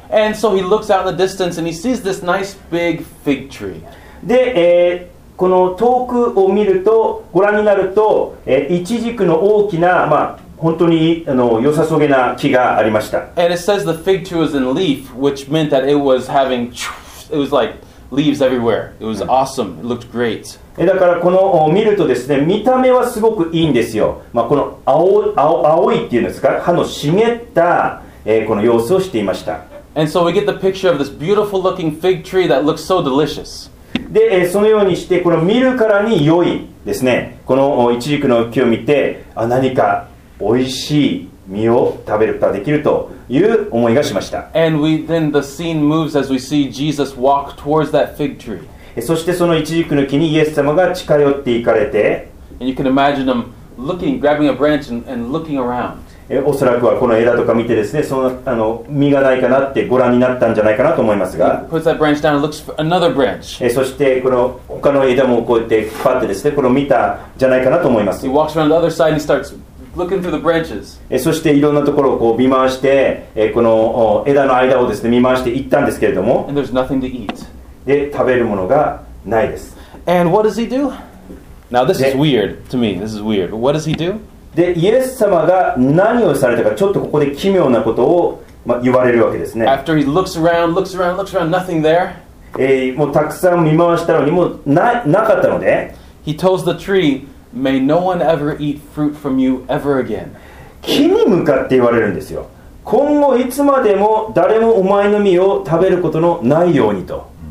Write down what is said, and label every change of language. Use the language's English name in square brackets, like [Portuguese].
[English] And so he looks out in the distance and he sees this nice big fig tree. [Japanese] で、この遠くを見るとご覧になると、イチジクの大きな、まあ、本当に良さそげな木がありました。 [English] And it says the fig tree was in leaf, which meant that it was having, it was like leaves everywhere. It was awesome. It looked great. [Japanese] だからこの見るとですね、見た目はすごくいいんですよ。まあ、この青いっていうんですか、葉の茂った、この様子をしていました。 [English] And so we get the picture of this beautiful looking fig tree that looks so delicious. [Japanese] で、そのようにしてこの見るからに良いですね。このイチジクの木を見て、あ、何か美味しい実を食べることができるという思いがしました。 [English] And then the scene moves as we see Jesus walk towards that fig tree. [Japanese] そしてそのイチジクの木にイエス様が近寄っていかれて、 [English] And you can imagine him looking, grabbing a branch and looking around. [Japanese] おそらくはこの枝とか見てですね、その、実がないかなってご覧になったんじゃないかなと思いますが、 [English] He puts that branch down and looks for another branch. [Japanese] そしてこの他の枝もこうやって引っ張ってですね、これを見たんじゃないかなと思います。 [English] He walks around the other side and starts looking through the branches. [Japanese] そしていろんなところをこう見回して、この枝の間をですね、見回していったんですけれども、 [English] And there's nothing to eat. [Japanese] で、食べるものがないです。 [English] And what does he do? Now this is weird to me. This is weird. What does he do? [Japanese] で、イエス様が何をされたか、ちょっとここで奇妙なことを、ま、言われるわけですね。 [English] After he looks around, looks around, looks around, nothing there. [Japanese] もうたくさん見回したのに、もう なかったので。 [English] He tells the tree, may no one ever eat fruit from you ever again. [Japanese] 木に向かって言われるんですよ。今後いつまでも誰もお前の実を食べることのないようにと。